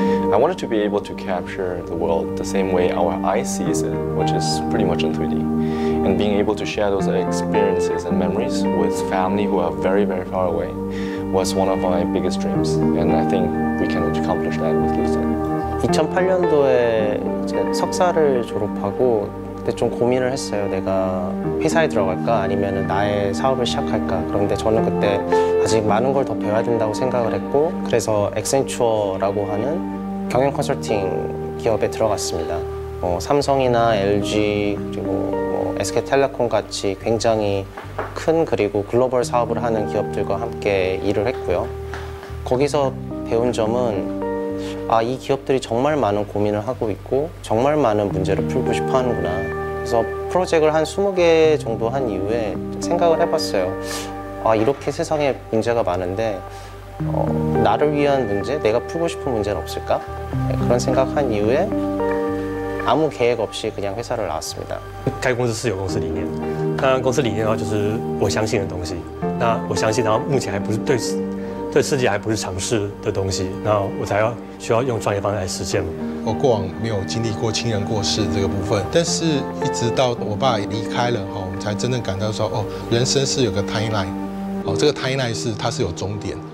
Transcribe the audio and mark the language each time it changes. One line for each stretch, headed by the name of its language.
English: I wanted to be able to capture the world the same way our eye sees it, which is pretty much in 3D. And being able to share those experiences and memories with family who are very, very far away was one of my biggest dreams. And I think we can accomplish that with Lucid.
Korean: 2008년도에 이제 석사를 졸업하고 그때 좀 고민을 했어요. 내가 회사에 들어갈까 아니면 나의 사업을 시작할까. 그런데 저는 그때 아직 많은 걸 더 배워야 된다고 생각을 했고 그래서 Accenture라고 하는 경영 컨설팅 기업에 들어갔습니다. 삼성이나 LG 그리고SK텔레콤 같이 굉장히 큰 그리고 글로벌 사업을 하는 기업들과 함께 일을 했고요. 거기서 배운 점은 이 기업들이 정말 많은 고민을 하고 있고 정말 많은 문제를 풀고 싶어 하는구나. 그래서 프로젝트를 한 20개 정도 한 이후에 생각을 해봤어요. 이렇게 세상에 문제가 많은데 나를 위한 문제, 내가 풀고 싶은 문제는 없을까? 그런 생각한 이후에 아무 계획 없이 그냥 회사를 나왔습니다.
Chinese: 开公司是有公司理念，那公司理念的话就是我相信的东西。那我相信，然后目前还不是对世界还不是尝试的东西，那我才要需要用创业方式来实现嘛。我过往没有经历过亲人过世这个部分，但是一直到我爸离开了哈，我们才真正感到说，哦，人生是有个 timeline， 哦，这个 timeline 是它是有终点。